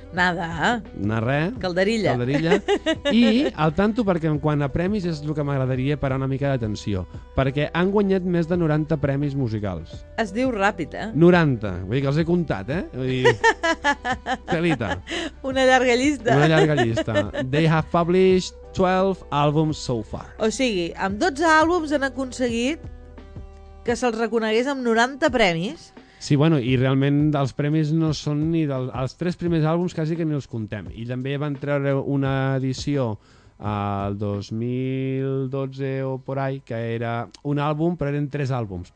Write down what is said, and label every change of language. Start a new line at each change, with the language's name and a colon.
Spanish: Nada.
Catalan: No res.
Spanish: Calderilla. Calderilla.
Catalan: I al tanto, perquè en quant a premis és el que m'agradaria parar una mica d'atenció, perquè han guanyat més de 90 premis musicals. Es diu ràpid, eh? 90. Vull dir que els he comptat, eh? Vull dir... Felita. Una llarga llista. Una llarga llista.
English: They have published 12 albums so far.
Catalan: O sigui, amb 12 àlbums han aconseguit que se'ls reconegués amb 90 premis. Sí, bueno, i realment els premis no són ni dels... Els 3 primers àlbums quasi que ni els contem. I també van treure una edició el 2012 o
Spanish: por ahí,
Catalan: que era un àlbum, però eren 3 àlbums.